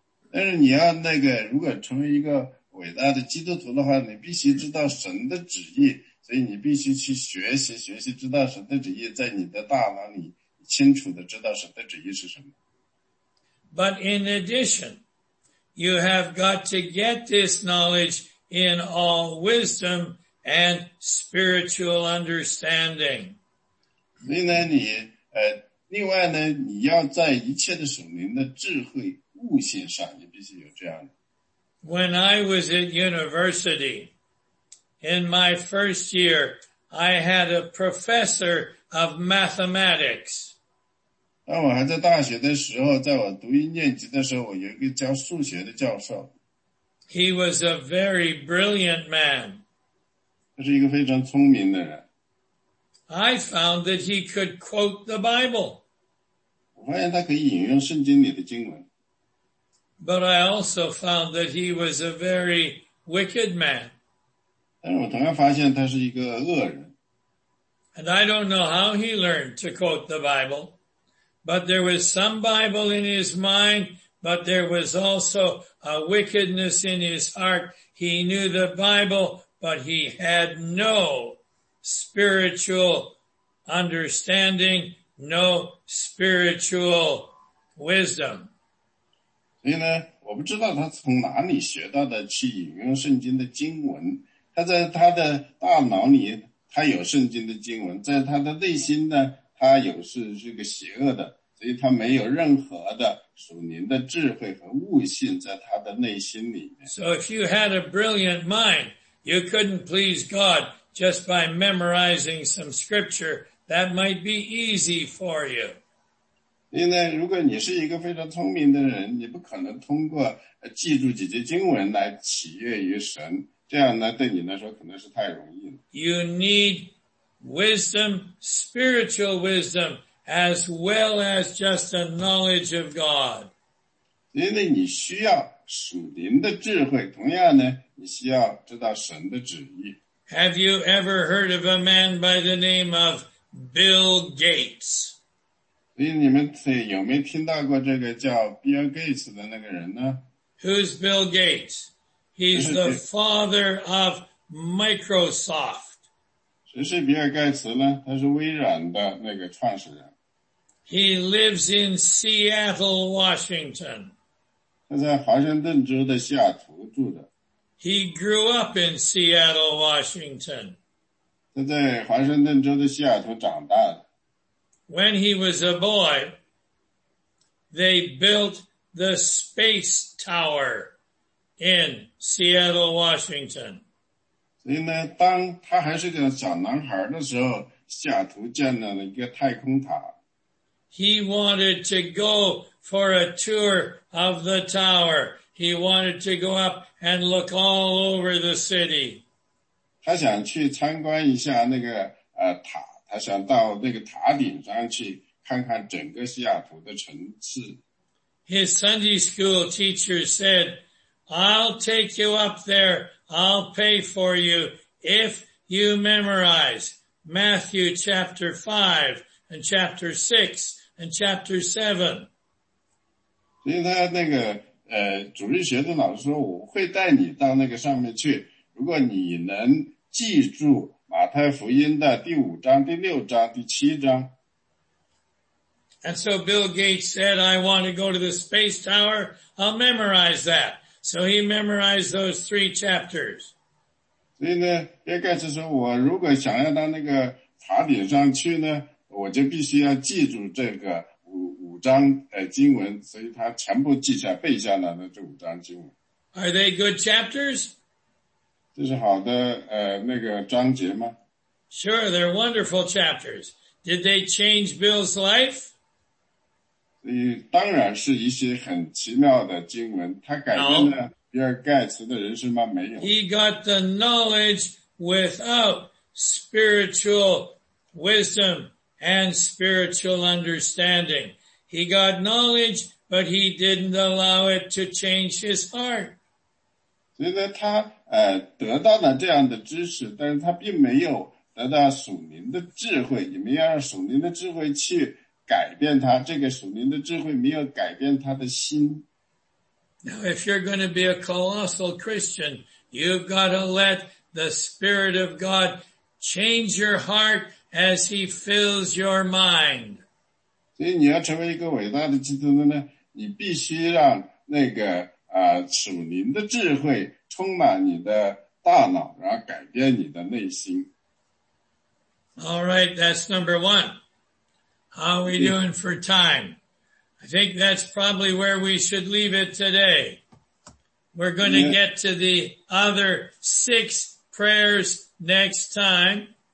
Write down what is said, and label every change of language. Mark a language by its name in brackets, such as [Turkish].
[Chinese] 但是你要那个，如果成为一个伟大的基督徒的话，你必须知道神的旨意，所以你必须去学习，学习知道神的旨意，在你的大脑里清楚的知道神的旨意是什么。 [English] But in addition, you have got to get this knowledge in all wisdom and spiritual understanding. [Chinese] 所以呢，另外呢，你要在一切的属灵的智慧悟性上，你必须有这样的。 [English] When I was at university, in my first year, I had a professor of mathematics. [Chinese] 当我还在大学的时候，在我读一年级的时候，我有一个教数学的教授。 [English] He was a very brilliant man. [Chinese] 他是一个非常聪明的人。 [English] I found that he could quote the Bible. [Chinese] 我发现他可以引用圣经里的经文。 [English] But I also found that he was a very wicked man. [Chinese] 但我同样发现他是一个恶人。 [English] And I don't know how he learned to quote the Bible, but there was some Bible in his mind, but there was also a wickedness in his heart. He knew the Bible, but he had no spiritual understanding, no spiritual wisdom. [Chinese] 所以呢，我不知道他从哪里学到的去引用圣经的经文。他在他的大脑里，他有圣经的经文，在他的内心呢，他有是个邪恶的，所以他没有任何的属灵的智慧和悟性在他的内心里面。 [English] So if you had a brilliant mind, you couldn't please God just by memorizing some scripture. That might be easy for you. [Chinese] 因为呢，如果你是一个非常聪明的人，你不可能通过记住几节经文来喜悦于神，这样呢，对你来说可能是太容易了。 [English] You need wisdom, spiritual wisdom, as well as just a knowledge of God. [Chinese] 因为你需要属灵的智慧，同样呢，你需要知道神的旨意。 [English] Have you ever heard of a man by the name of Bill Gates? [Chinese] 你们有没有听到过这个叫 Bill Gates 的那个人呢？ [English] Who's Bill Gates? He's the father of Microsoft. [Chinese] 谁是比尔盖茨呢？他是微软的那个创始人。 [English] He lives in Seattle, Washington. [Chinese] 他在华盛顿州的西雅图住着。 [English] He grew up in Seattle, Washington. [Chinese] 他在华盛顿州的西雅图长大的。 [English] When he was a boy, they built the Space Tower in Seattle, Washington. [Chinese] 所以呢，当他还是个小男孩的时候，西雅图建了一个太空塔。 [English] He wanted to go for a tour of the tower. He wanted to go up and look all over the city. [Chinese] 他想去参观一下那个塔，他想到那个塔顶上去看看整个西雅图的城市。 [English] His Sunday school teacher said, I'll take you up there, I'll pay for you if you memorize Matthew chapter 5 and chapter 6 and chapter 7. [Chinese] 所以他那个主日学的老师说，我会带你到那个上面去，如果你能记住马太福音的第五章、第六章、第七章。 [English] And so Bill Gates said, I want to go to the Space Tower, I'll memorize that. So he memorized those three chapters. [Chinese] 所以呢，比尔盖茨说，我如果想要到那个塔顶上去呢，我就必须要记住这个章经文，所以他全部记下背下来的这五章经文。 [English] Are they good chapters? [Chinese] 这是好的那个章节吗？ [English] Sure, they're wonderful chapters. Did they change Bill's life? [Chinese] 当然是一些很奇妙的经文，他改变了比尔盖茨的人生吗？没有。 [English] He got the knowledge without spiritual wisdom and spiritual understanding. He got knowledge, but he didn't allow it to change his heart. [Chinese] 所以呢，他得到了这样的知识，但是他并没有得到属灵的智慧，也没有让属灵的智慧去改变他。这个属灵的智慧没有改变他的心。 [English] Now, if you're going to be a colossal Christian, you've got to let the Spirit of God change your heart as he fills your mind. [Chinese] 所以你要成为一个伟大的基督徒呢，你必须让那个属灵的智慧充满你的大脑，然后改变你的内心。 [English] All right, that's number one. How are we doing for time? I think that's probably where we should leave it today. We're going to get to the other six prayers next time.